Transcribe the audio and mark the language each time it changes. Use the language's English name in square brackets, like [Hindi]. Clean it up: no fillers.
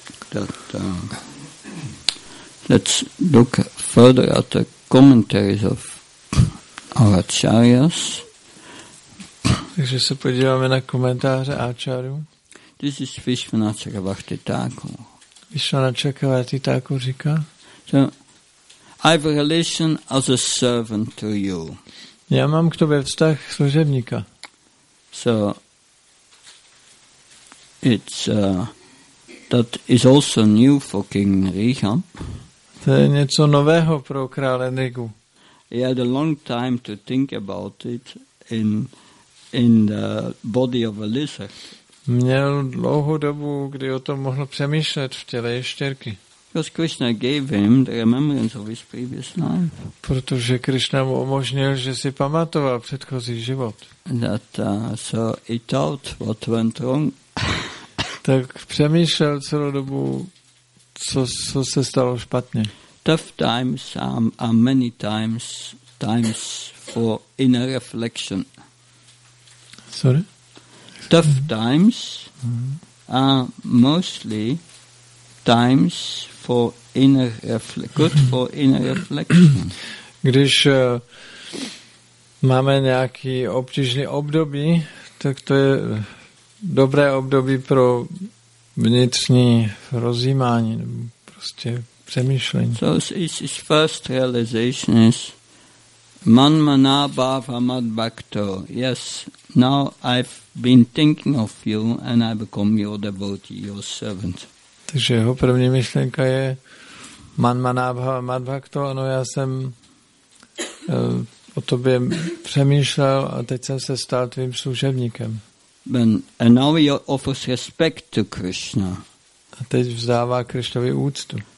[English] That, let's look further at the commentaries of our acharyas. [Czech] Takže se podíváme na komentáře Acharyů. [English] This is Vishwanatha Chakravarti Thakur. [Czech] Vishwanatha Chakravarti Thakur říká, [English] so, I have a relation as a servant to you. [Czech] Já mám k tobě vztah služebníka. [English] So, it's, that is also new for King Riham. [Czech] To je něco nového pro krále Nigu. [English] He had a long time to think about it in the body of a lizard. [Czech] Měl dlouhou dobu, kdy o tom mohl přemýšlet v těle ještěrky. [English] Because Krishna gave him the remembrance of his previous life. [Czech] Protože Krishna mu umožnil, že si pamatoval předchozí život. [English] That, so he thought what went wrong. [Czech] Tak přemýšlel celou dobu, co se stalo špatně. [English] Tough times are many times for inner reflection. Sorry? Tough times are mostly times for inner good for inner reflection. [Czech] Když máme nějaký obtížný období, tak to je dobré období pro vnitřní rozjímání, prostě přemýšlení. [English] So his first realization is [Sanskrit] man mana bhava mad bhakto. [English] Yes, now I've been thinking of you and I become your devotee, your servant. [Czech] Takže jeho první myšlenka je [Sanskrit] man manabha madbhakto, [Czech] ano, já jsem o tobě přemýšlel a teď jsem se stal tvým služebníkem. [English] And now he offers respect to Krishna. [Czech] A teď vzdává Krishnovi úctu.